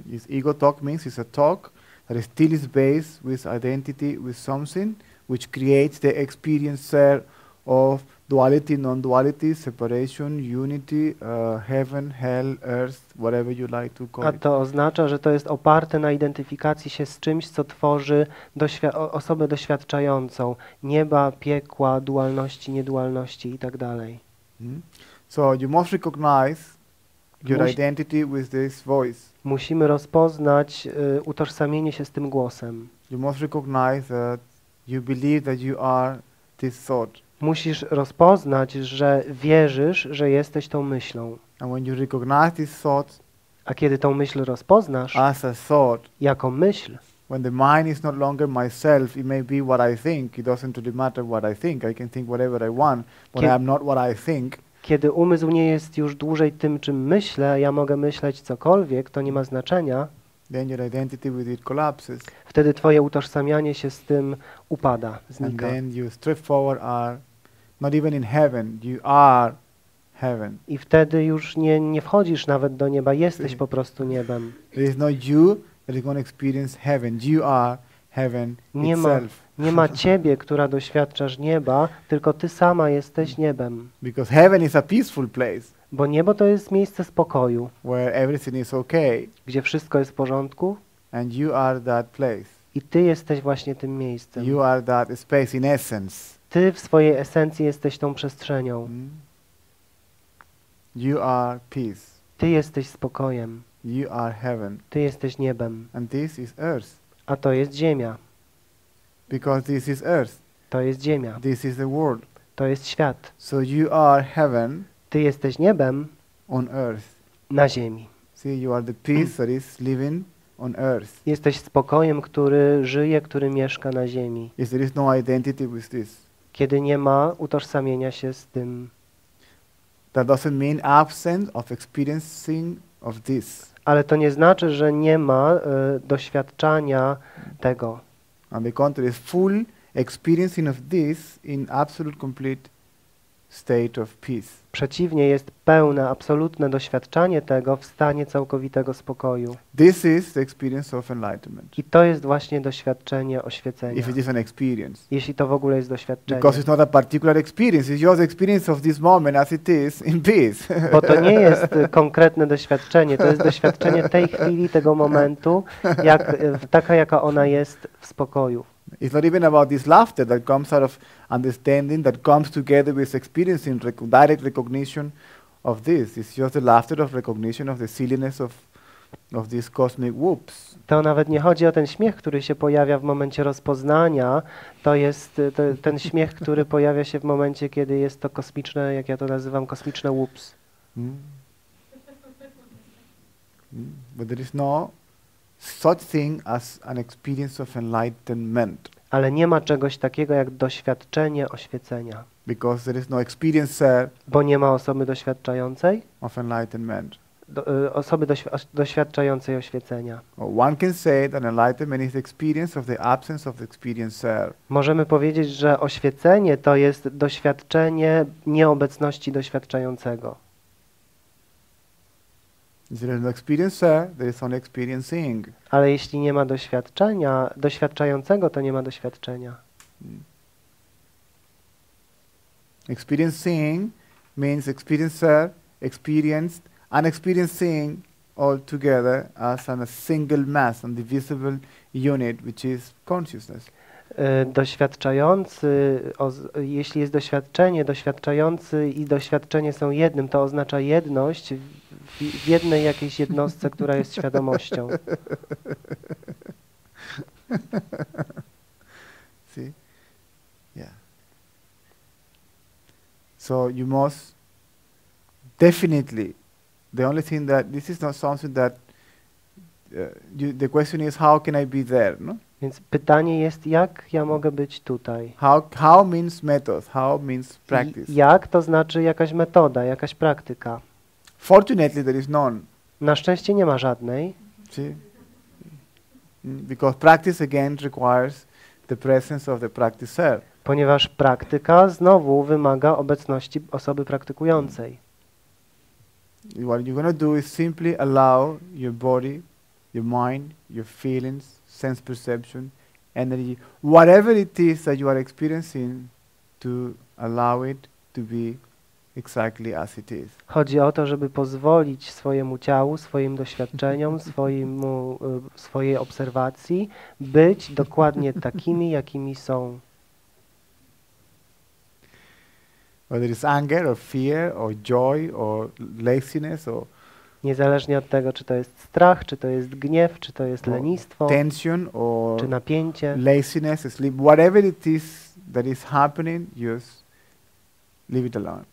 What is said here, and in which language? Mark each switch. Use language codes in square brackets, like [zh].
[en] His ego talk means it's a talk that still is based with identity with something which creates the experiencer of duality, non-duality, separation, unity, heaven, hell, earth, whatever you like to call it. [pl] A to oznacza, że to jest oparte na identyfikacji się z czymś, co tworzy osobę doświadczającą nieba, piekła, dualności, niedualności i tak dalej. [en] So you must recognize Your identity with this voice. [pl] Musimy rozpoznać utożsamienie się z tym głosem. [en] You must recognize that you believe that you are this thought. [pl] Musisz rozpoznać, że wierzysz, że jesteś tą myślą. [en] And when you recognize this thought, [pl] a kiedy tą myśl rozpoznasz, [en] as a thought, [pl] jako myśl, [en] when the mind is no longer myself, it may be what I think. It doesn't really matter what I think. I can think whatever I want, but I am not what I think. [pl] Kiedy umysł nie jest już dłużej tym, czym myślę, ja mogę myśleć cokolwiek, to nie ma znaczenia. [en] Then your identity with it collapses. [pl] Wtedy twoje utożsamianie się z tym upada, znika. [en] And then you straightforward are not even in heaven, you are heaven. [pl] I wtedy już nie wchodzisz nawet do nieba, jesteś po prostu niebem. [en] There is no you that is going to experience heaven. You are heaven itself. [pl] Nie ma ciebie, która doświadczasz nieba, tylko ty sama jesteś niebem. [en] Because heaven is a peaceful place. [pl] Bo niebo to jest miejsce spokoju. [en] Where everything is okay. [pl] Gdzie wszystko jest w porządku. [en] And you are that place. [pl] I ty jesteś właśnie tym miejscem. [en] You are that space in essence. [pl] Ty w swojej esencji jesteś tą przestrzenią. [en] You are peace. [pl] Ty jesteś spokojem. [en] You are heaven. [pl] Ty jesteś niebem. [en] And this is earth. [pl] A to jest ziemia. [en] Because this is earth. [pl] To jest ziemia. [en] This is the world. [pl] To jest świat. [en] So you are heaven. [pl] Ty jesteś niebem. [en] On earth. [pl] Na ziemi. [en] See, you are the peace that is living on earth. [pl] Jesteś spokojem, który żyje, który mieszka na ziemi. [en] Yes, there is no identity with this. [pl] Kiedy nie ma utożsamienia się z tym. [en] That doesn't mean absence of experiencing of this. [pl] Ale to nie znaczy, że nie ma doświadczania tego. [en] On the contrary, full experiencing of this in absolute complete state of peace. [pl] Przeciwnie, jest pełne, absolutne doświadczanie tego w stanie całkowitego spokoju. [en] This is the experience of enlightenment. [pl] I to jest właśnie doświadczenie oświecenia. [en] If it is an experience. [pl] Jeśli to w ogóle jest doświadczenie. [en] Because it's not a particular experience, it's just experience of this moment as it is in peace. [pl] Bo to nie jest konkretne doświadczenie, to jest doświadczenie tej chwili, tego momentu, jak, taka jaka ona jest w spokoju. [en] It's not even about this laughter that comes out of understanding, that comes together with experiencing direct recognition of this. It's just the laughter of recognition of the silliness of these cosmic whoops. [pl] To nawet nie chodzi o ten śmiech, który się pojawia w momencie rozpoznania. To jest ten śmiech, który pojawia się w momencie, kiedy jest to kosmiczne, jak ja to nazywam, kosmiczne whoops. [en] But there is no such thing as an experience of enlightenment. [pl] Ale nie ma czegoś takiego jak doświadczenie oświecenia. [en] Because there is no experiencer. [pl] Bo nie ma osoby doświadczającej. [en] Of enlightenment. [pl] Osoby doświadczającej oświecenia. [en] Well, one can say that enlightenment is the experience of the absence of the experiencer. [pl] Możemy powiedzieć, że oświecenie to jest doświadczenie nieobecności doświadczającego. [en] There is no experiencer, there is only experiencing. [pl] Ale jeśli nie ma doświadczenia, doświadczającego, to nie ma doświadczenia. [en] Experiencing means experiencer, experienced, and experiencing all together as a single mass, an indivisible unit, which is consciousness. [pl] Doświadczający, jeśli jest doświadczenie, doświadczający i doświadczenie są jednym, to oznacza jedność w jednej jakiejś jednostce, która jest świadomością. [en] See? Yeah. So you must definitely, the only thing that, this is not something that, the question is how can I be there, no? [pl] Więc pytanie jest, jak ja mogę być tutaj? [en] How means method? How means practice? [pl] Jak to znaczy jakaś metoda, jakaś praktyka? [en] Fortunately, there is none. [pl] Na szczęście nie ma żadnej. [en] See? Because practice again requires the presence of the practicer. [pl] Ponieważ praktyka znowu wymaga obecności osoby praktykującej. [en] What you're going to do is simply allow your body, your mind, your feelings, sense perception, energy, whatever it is that you are experiencing, to allow it to be exactly as it is. [pl] Chodzi o to, żeby pozwolić swojemu ciału, swoim doświadczeniom, swojej obserwacji być dokładnie takimi, jakimi są. [en] Whether it's anger or fear or joy or laziness or [pl] Niezależnie od tego, czy to jest strach, czy to jest gniew, czy to jest lenistwo, [en] tension or [pl] czy napięcie, [en] laziness, sleep, whatever it is that is happening, just leave it alone.